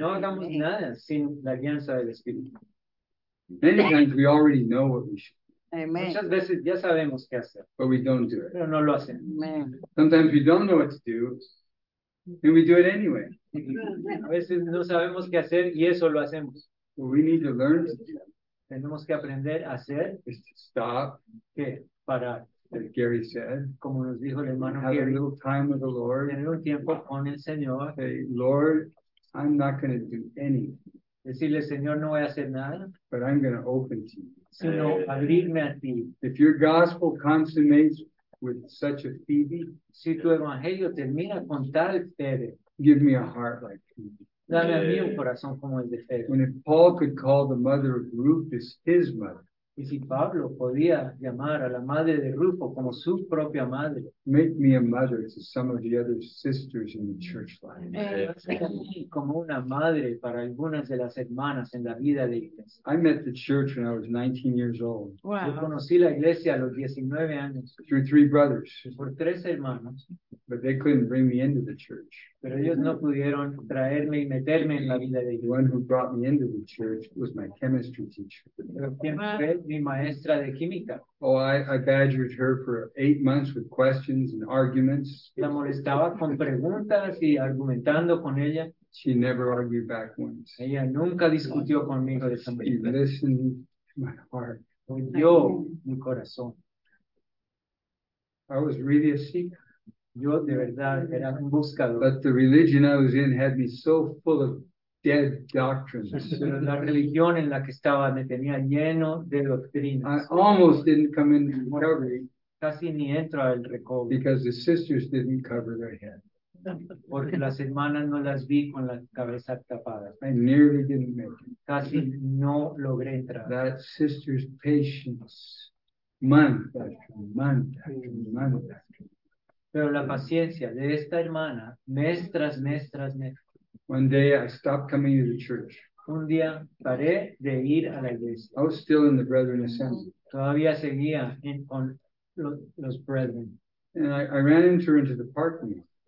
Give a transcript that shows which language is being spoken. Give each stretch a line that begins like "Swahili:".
Spanish: No hagamos nada sin la guianza del Espíritu.
English: Many times we already know what we should do. Amen.
Spanish: Muchas veces ya sabemos qué hacer.
English: But we don't do it.
Spanish: Pero no lo hacemos.
English: Amen. Sometimes we don't know what to do, and we do it anyway.
Spanish: A veces no sabemos qué hacer, y eso lo hacemos.
English: What we need to learn to do.
Spanish: Tenemos que aprender a hacer.
English: Is to stop.
Spanish: ¿Qué? Parar.
English: As Gary said.
Spanish: Como nos dijo el hermano
English: have
Spanish: Gary.
English: A little time with the Lord.
Spanish: Tener un tiempo con el Señor.
English: Say, Lord, I'm not going to do anything.
Spanish: Decirle, Señor, no voy a hacer nada.
English: But I'm going to open to you.
Spanish: Sino abrirme a ti.
English: If your gospel consummates with such a Phoebe.
Spanish: Si tu evangelio termina con tal Phoebe.
English: Give me a heart like Phoebe.
Spanish: Dame a mí un corazón como el de Phoebe.
English: When if Paul could call the mother of Rufus his mother.
Spanish: Y si Pablo podía llamar a la madre de Rufo como su propia madre.
English: Make me a mother to some of the other sisters in the church life.
Spanish: Como una madre para algunas de las hermanas en la vida de iglesia.
English: I met the church when I was 19 years old. Wow.
Spanish: Yo conocí la iglesia a los 19 años.
English: Through 3 brothers.
Spanish: Por 3 hermanos.
English: But they couldn't bring me into the church.
Spanish: Pero ellos no pudieron traerme y meterme en la vida de iglesia.
English: The one who brought me into the church was my chemistry teacher.
Spanish: Mi maestra de química.
English: Oh, I badgered her for 8 months with questions and arguments.
Spanish: La molestaba con preguntas y argumentando con ella.
English: She never argued back once.
Spanish: Ella nunca discutió conmigo de esa manera.
English: She listened to my heart.
Spanish: Oyó mi corazón.
English: I was really a seeker.
Spanish: Yo de verdad era un buscador.
English: But the religion I was in had me so full of dead doctrines.
Spanish: Pero la religión en la que estaba me tenía lleno de doctrinas.
English: I almost didn't come in recovery.
Spanish: Casi ni entro al recovery.
English: Because the sisters didn't cover their head.
Spanish: Porque las hermanas no las vi con la cabeza tapada.
English: I nearly didn't make it.
Spanish: Casi no logré entrar.
English: That sister's patience, month after month after month after.
Spanish: Pero la paciencia de esta hermana, mes tras mes tras mes.
English: One day I stopped coming to the church.
Spanish: Un día paré de ir a la iglesia.
English: I was still in the brethren assembly.
Spanish: Todavía seguía en, con los brethren.
English: And I ran into her into the parking lot.